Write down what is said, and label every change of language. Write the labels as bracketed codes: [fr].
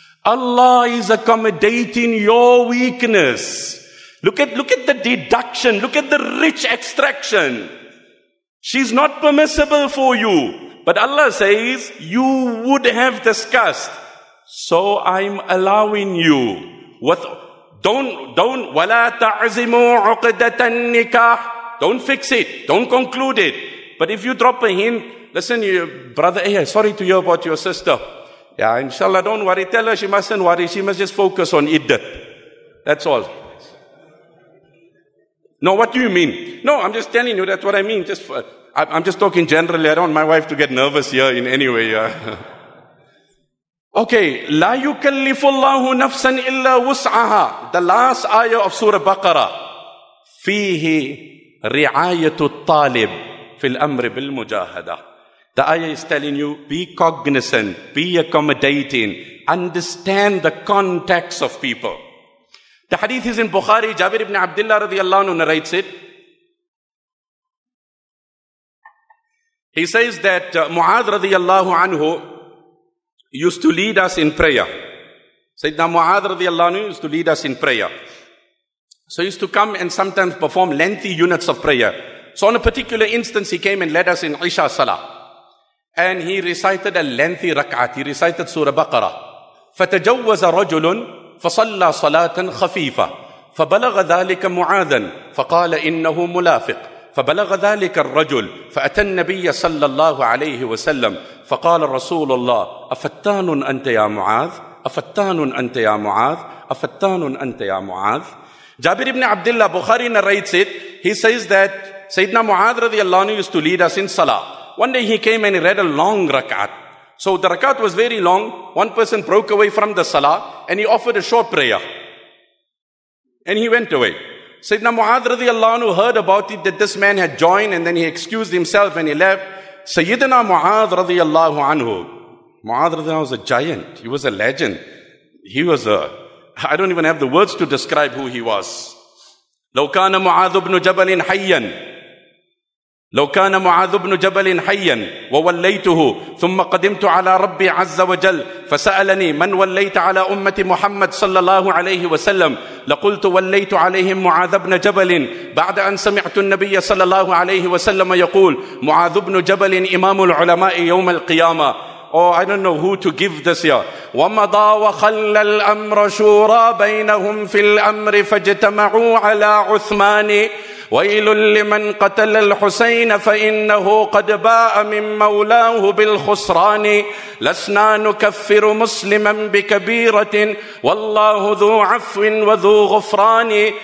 [en] Allah is accommodating your weakness. Look at the deduction, look at the rich extraction. She's not permissible for you. But Allah says, you would have discussed. So I'm allowing you. Don't [ar] وَلَا تَعْزِمُوا عُقْدَةَ النِّكَاحِ. [en] Don't fix it. Don't conclude it. But if you drop a hint, listen, you, brother, hey, sorry to hear about your sister. Yeah, inshallah, don't worry. Tell her she mustn't worry. She must just focus on iddah. That's all. No, what do you mean? No, I'm just telling you that's what I mean. Just for... I'm just talking generally. I don't want my wife to get nervous here in any way. Okay. [ar] لا يكلف الله نفسا إلا وسعها. [en] The last ayah of Surah Baqarah. [ar] فيه رعاية الطالب في الأمر بالمجاهدة. [en] The ayah is telling you, be cognizant, be accommodating, understand the context of people. The hadith is in Bukhari. Jabir ibn Abdullah radiallahu anhu narrates it. He says that Mu'adh radiyallahu anhu used to lead us in prayer. Sayyidina Mu'adh radiyallahu anhu used to lead us in prayer. So he used to come and sometimes perform lengthy units of prayer. So on a particular instance, he came and led us in Isha Salah. And he recited a lengthy rak'at. He recited Surah Baqarah. [ar] فَتَجَوَّزَ رَجُلٌ فَصَلَّى صَلَاةً خَفِيفًا فَبَلَغَ ذَلِكَ مُعَاذًا فَقَالَ إِنَّهُ مُلَافِقٌ فبلغ ذلك الرجل فأتى النبي صلى الله عليه وسلم فقال رسول الله أفتان أنت يا معاذ أفتان أنت يا معاذ أفتان أنت يا معاذ جابر بن عبد الله بخاري [en] narrates it. He says that [ar] سيدنا معاذ رضي الله عنه [en] used to lead us in salah. One day he came and he read a long rak'at. So the rak'at was very long. One person broke away from the salah and he offered a short prayer and he went away. Sayyidina Mu'adh radiallahu anhu heard about it, that this man had joined, and then he excused himself and he left. Sayyidina Mu'adh radiallahu anhu, Mu'adh radiallahu anhu was a giant. He was a legend. He was I don't even have the words to describe who he was. [ar] لو كان معاذ بن جبل حيا لو كان معاذ بن جبل حيا ووليته ثم قدمت على ربي عز وجل فسألني من وليت على أمة محمد صلى الله عليه وسلم لقلت وليت عليهم معاذ بن جبل بعد أن سمعت النبي صلى الله عليه وسلم يقول معاذ بن جبل إمام العلماء يوم القيامة. [en] Oh, I don't know who to give this here. [ar] وَمَضَى وَخَلَّ الْأَمْرَ شُورَى بَيْنَهُمْ فِي الْأَمْرِ فَاجْتَمَعُوا عَلَى عُثْمَانِ وَيْلٌ لِمَنْ قَتَلَ الْحُسَيْنَ فَإِنَّهُ قَدْ بَاءَ مِنْ مَوْلَاهُ بِالْخُسْرَانِ لَسْنَا نُكَفِّرُ مُسْلِمًا بِكَبِيرَةٍ وَاللَّهُ ذُو عَفْوٍ وَذُو غُفْرَانِ.